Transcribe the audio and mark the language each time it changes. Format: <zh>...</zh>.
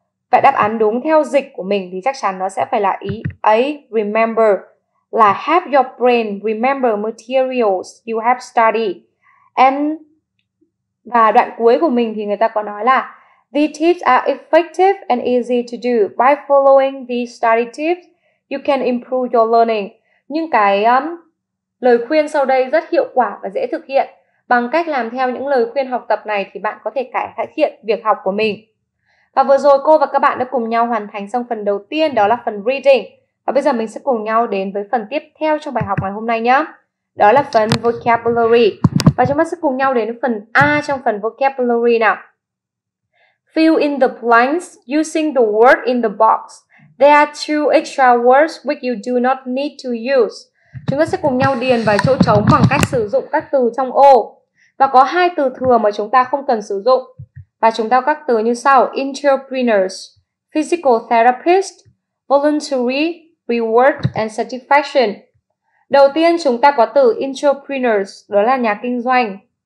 <vi>Vậy đáp án đúng theo dịch của mình thì chắc chắn nó sẽ phải là ý A, remember, là</vi> <en>have your brain remember materials you have studied.</en> <vi>Và đoạn cuối của mình thì người ta có nói là</vi> <en>these tips are effective and easy to do. By following these study tips, you can improve your learning.</en> <vi>Nhưng cái lời khuyên sau đây rất hiệu quả và dễ thực hiện. Bằng cách làm theo những lời khuyên học tập này thì bạn có thể cải thiện việc học của mình. Và vừa rồi cô và các bạn đã cùng nhau hoàn thành xong phần đầu tiên, đó là phần reading. Và bây giờ mình sẽ cùng nhau đến với phần tiếp theo trong bài học ngày hôm nay nhé. Đó là phần vocabulary. Và chúng ta sẽ cùng nhau đến với phần A trong phần vocabulary nào.</vi> <en>Fill in the blanks using the word in the box. There are two extra words which you do not need to use.</en> <vi>Chúng ta sẽ cùng nhau điền vào chỗ trống bằng cách sử dụng các từ trong ô. Và có hai từ thừa mà chúng ta không cần sử dụng. Và chúng ta có các từ như sau.</vi> <en>Entrepreneurs, physical therapist, voluntary, reward and satisfaction.</en> <vi>Đầu tiên chúng ta có từ entrepreneurs, đó là nhà kinh doanh.</vi>